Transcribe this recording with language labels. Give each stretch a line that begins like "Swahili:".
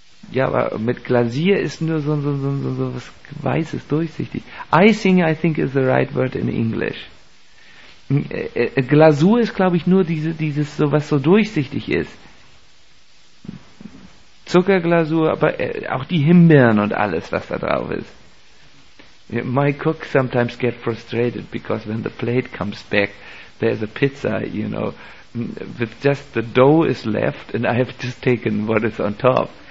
German: Ja, aber mit Glasier ist nur so was Weißes, durchsichtig.
English: Icing, I think, is the right word in English.
German: Glasur ist, glaube ich, nur dieses, so was so durchsichtig ist. Zuckerglasur, aber auch die Himbeeren und alles, was da drauf ist.
English: My cook sometimes get frustrated because when the plate comes back, there's a pizza, you know, with just the dough is left and I have just taken what is on top.